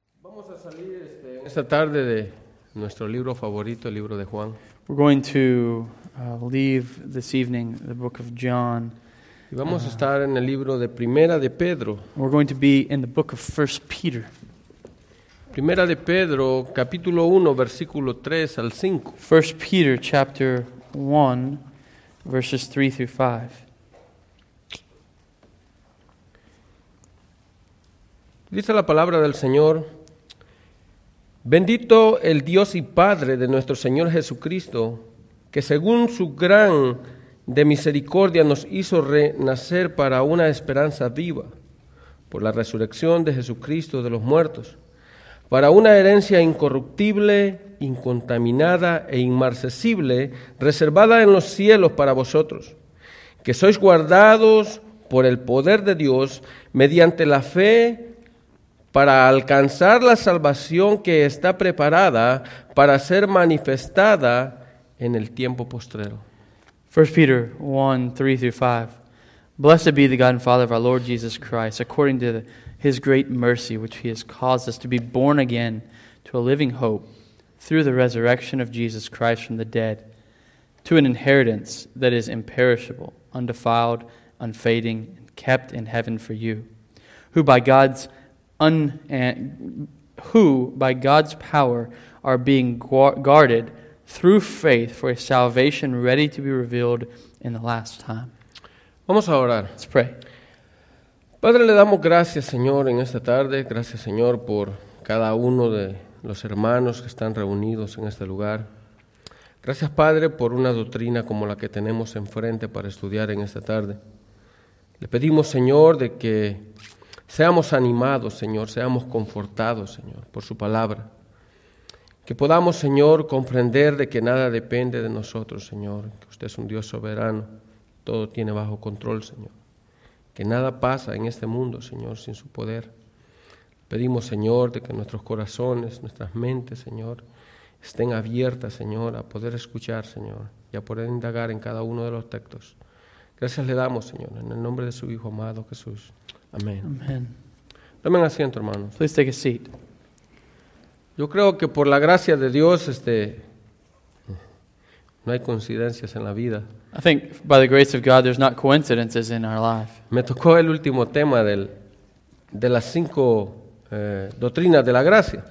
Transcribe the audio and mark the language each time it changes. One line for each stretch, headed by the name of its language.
Spanish: Vamos a salir esta tarde de nuestro libro favorito, el libro de Juan.
English: We're going to leave this evening the book of John.
Spanish: Y vamos a estar en el libro de Primera de Pedro.
English: We're going to be in the book of First Peter.
Spanish: Primera de Pedro, capítulo 1, versículo 3 al 5.
English: First Peter, chapter 1, verses 3 through 5.
Spanish: Dice la palabra del Señor: Bendito el Dios y Padre de nuestro Señor Jesucristo, que según su gran de misericordia nos hizo renacer para una esperanza viva, por la resurrección de Jesucristo de los muertos, para una herencia incorruptible, incontaminada e inmarcesible, reservada en los cielos para vosotros, que sois guardados por el poder de Dios mediante la fe, para alcanzar la salvación que está preparada para ser manifestada en el tiempo postrero.
English: 1 Peter 1, 3 through 5. Blessed be the God and Father of our Lord Jesus Christ, according to his great mercy, which he has caused us to be born again to a living hope through the resurrection of Jesus Christ from the dead, to an inheritance that is imperishable, undefiled, unfading, and kept in heaven for you, who by God's power are being guarded through faith for a salvation ready to be revealed in the last time.
Spanish: Vamos a orar.
English: Let's pray.
Spanish: Padre, le damos gracias, Señor, en esta tarde. Gracias, Señor, por cada uno de los hermanos que están reunidos en este lugar. Gracias, Padre, por una doctrina como la que tenemos enfrente para estudiar en esta tarde. Le pedimos, Señor, de que seamos animados, Señor, seamos confortados, Señor, por su palabra. Que podamos, Señor, comprender de que nada depende de nosotros, Señor. Que usted es un Dios soberano, todo tiene bajo control, Señor. Que nada pasa en este mundo, Señor, sin su poder. Pedimos, Señor, de que nuestros corazones, nuestras mentes, Señor, estén abiertas, Señor, a poder escuchar, Señor, y a poder indagar en cada uno de los textos. Gracias le damos, Señor, en el nombre de su Hijo amado, Jesús. Amén. Amén. Tomen asiento, hermanos.
English: Please take a seat.
Spanish: Yo creo que por la gracia de Dios, no hay coincidencias en la vida.
English: I think by the grace of God, there's not coincidences in our life.
Spanish: Me tocó el último tema de las cinco doctrinas de la gracia.